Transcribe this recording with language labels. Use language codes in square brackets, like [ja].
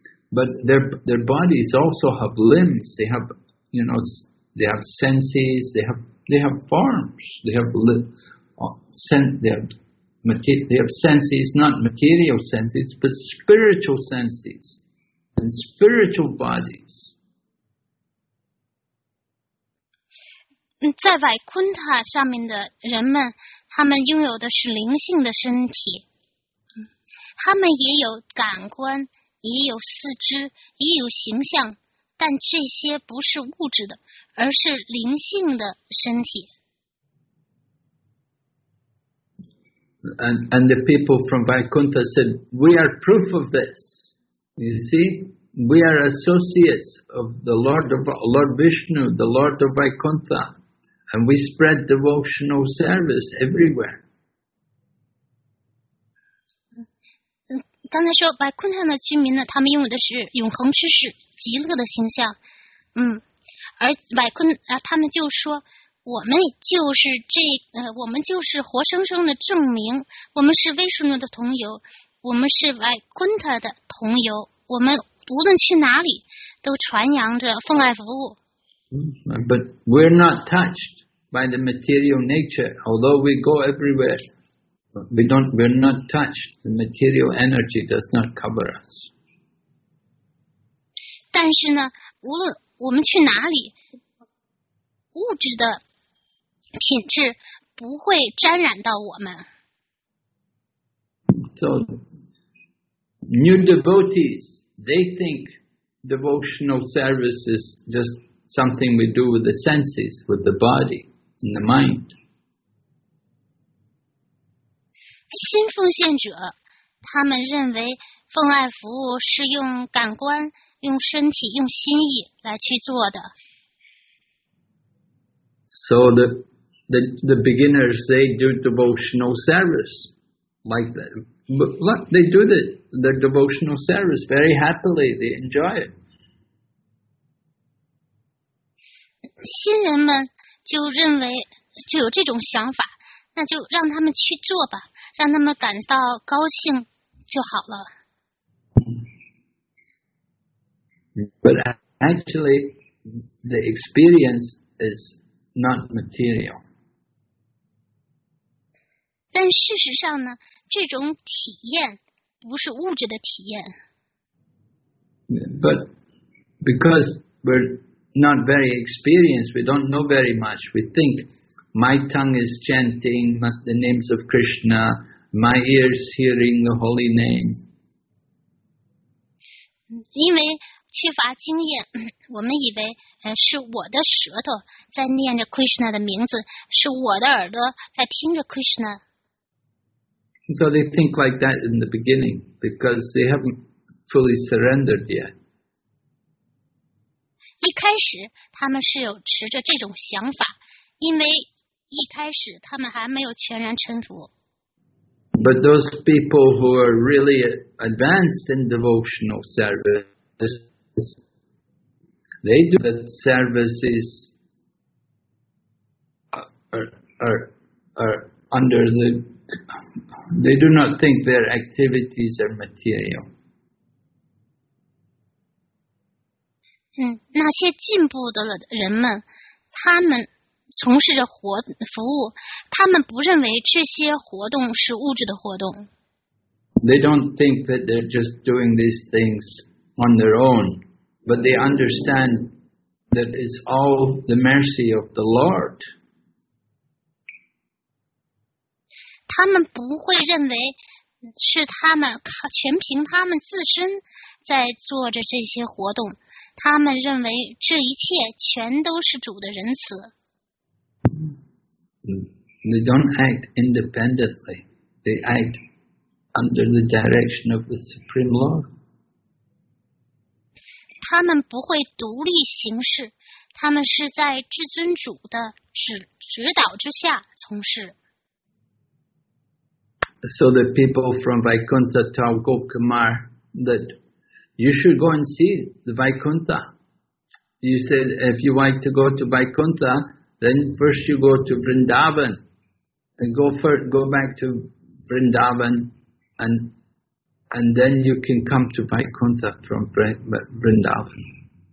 [en] But their bodies also have limbs. They have, you know, they have senses. They have forms. They have senses, not material senses, but spiritual senses and spiritual bodies. [zh] 在 Vaikuntha 上面的人们，他们拥有的是灵性的身体，他们也有感官，也有四肢，也有形象，但这些不是物质的，而是灵性的身体。 [en] And the people from Vaikuntha said, "We are proof of this. You see, we are associates of the Lord Vishnu, the Lord of Vaikuntha." And we spread devotional service everywhere. [zh] 刚才说白昆山的居民呢，他们拥有的是永恒知识、极乐的形象。而白昆啊，他们就说，我们就是这我们就是活生生的证明，我们是维舒奴的同游，我们是白昆塔的同游，我们无论去哪里，都传扬着奉爱服务。 [en] But we're not touched by the material nature, although we go everywhere. We're not touched. The material energy does not cover us. [zh] 但是呢，无论我们去哪里，物质的品质不会沾染到我们。 [en] So new devotees, they think devotional service is just. Something we do with the senses, with the body, and the mind. [zh] 新奉献者，他们认为奉爱服务是用感官、用身体、用心意来去做的。 [en] So the beginners, they do devotional service like that. But look, they do the devotional service very happily. They enjoy it. [zh] 新人们就认为就有这种想法，那就让他们去做吧，让他们感到高兴就好了。 [en] But actually, the experience is not material. [zh] 但事实上呢，这种体验不是物质的体验。 [en] But because we're not very experienced, we don't know very much. We think My tongue is chanting the names of Krishna. My ears hearing the holy name. [zh] 因为缺乏经验，我们以为是我的舌头在念着 Krishna 的名字，是我的耳朵在听着 Krishna。 [en] So they think like that in the beginning because they haven't fully surrendered yet. [zh] 一开始他们是有持着这种想法，因为一开始他们还没有全然臣服。 [en] But those people who are really advanced in devotional services, they do the services are under the, they do not think their activities are material. [zh] 那些进步的人们，他们从事着活服务，他们不认为这些活动是物质的活动。 [en] They don't think that they're just doing these things on their own, but they understand that it's all the mercy of the Lord. [zh] 他们不会认为是他们全凭他们自身在做着这些活动，他们认为这一切全都是主的仁慈。 [en] They don't act independently. They act under the direction of the Supreme Lord. [zh] 他们不会独立行事，他们是在至尊主的指导之下从事。 [en] So the people from Vaikuntha tell Gokumar that you should go and see the Vaikuntha. You said if you like to go to Vaikuntha,Then first you go to Vrindavan and go back to Vrindavan and then you can come to Vaikuntha from Vrindavan.